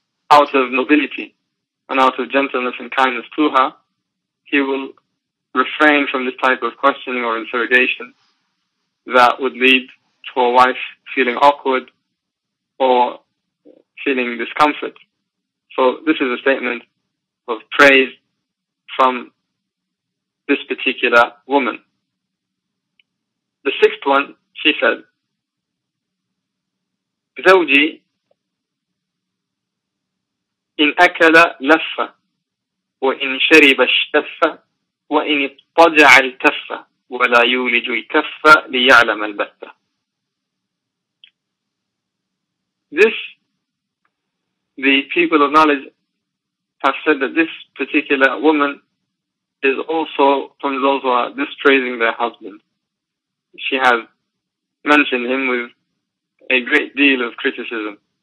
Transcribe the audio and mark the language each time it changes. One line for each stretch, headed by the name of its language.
English: Out of nobility and out of gentleness and kindness to her, he will refrain from this type of questioning or interrogation that would lead to a wife feeling awkward or feeling discomfort. So this is a statement of praise from this particular woman. The sixth one, she said,
Arabic: زوجي إن أكل لفة وإن شرب الشفة وإن اضطجع التفة ولا يولج الكفة ليعلم البتة.
English: This, the people of knowledge have said that this particular woman is also from those who are dispraising their husband. She has mentioned him with a great deal of criticism.